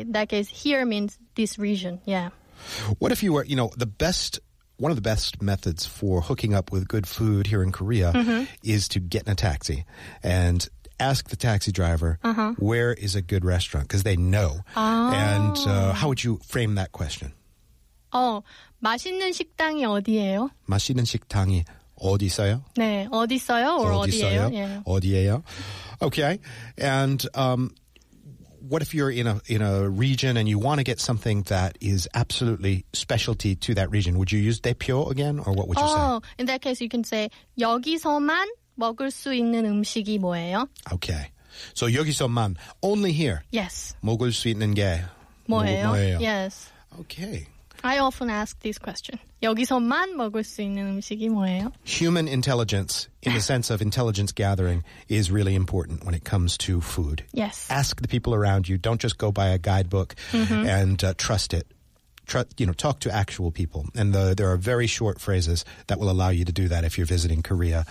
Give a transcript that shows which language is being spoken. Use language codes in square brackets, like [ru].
[en] In that case, here means this region, yeah. What if you were, you know, one of the best methods for hooking up with good food here in Korea is to get in a taxi and ask the taxi driver where is a good restaurant, because they know. And how would you frame that question? [ko] 맛있는 식당이 어디예요? 맛있는 식당이 어디 있어요? 네, 어디 있어요 or 어디 있어요? 어디예요? Yeah. 어디예요? [en] Okay, and what if you're in a region and you want to get something that is absolutely specialty to that region? Would you use 대표 again or what would you say? Oh, in that case, you can say [ko] 여기서만 먹을 수 있는 음식이 뭐예요? [en] Okay, so 여기서만 only here. Yes. [ko] 먹을 수 있는 게 뭐예요? Yes. [en] Okay. I often ask this question. [ko] 여기서만 먹을 수 있는 음식이 뭐예요? [en] Human intelligence, in the sense of intelligence gathering, is really important when it comes to food. Yes. Ask the people around you. Don't just go by a guidebook and trust it. Talk to actual people. And there are very short phrases that will allow you to do that if you're visiting Korea.